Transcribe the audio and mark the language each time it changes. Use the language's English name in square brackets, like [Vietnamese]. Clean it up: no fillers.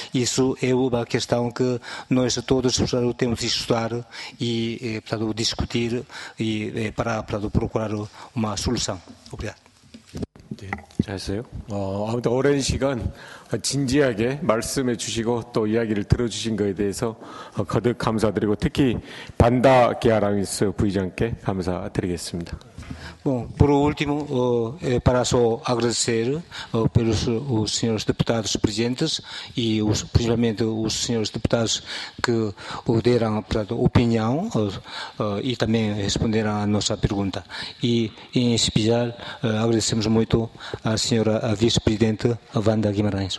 [Portuguese] Isso é uma questão que nós todos temos de estudar e discutir e para procurar uma solução. Obrigado. [Korean] 네, 잘했어요. 아무튼 오랜 시간 진지하게 말씀해 주시고 또 이야기를 들어주신 것에 대해서 거듭 감사드리고 특히 반다 기아랑이스 부의장께 감사드리겠습니다. [Portuguese] Bom, por último, para só agradecer pelos os senhores deputados presentes e principalmente os senhores deputados que deram opinião e também responderam à nossa pergunta. E em especial, agradecemos muito à senhora vice-presidente Wanda Guimarães.